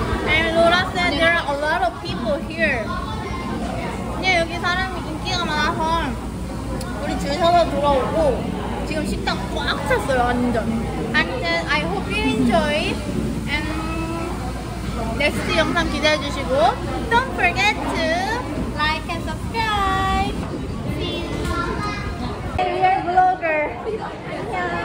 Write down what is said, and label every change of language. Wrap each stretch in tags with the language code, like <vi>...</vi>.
<en>And Laura said there are a lot of people here.</en> <ko>근데 여기 사람이 인기가 많아서 우리 줄 서서 들어오고 지금 식당 꽉 찼어요, 완전.</ko> <en>I hope you enjoy and next</en> <ko>영상 기대해 주시고</ko> <en>don't forget to like and subscribe. See you. We are vlogger.</en> <ko>안녕.</ko>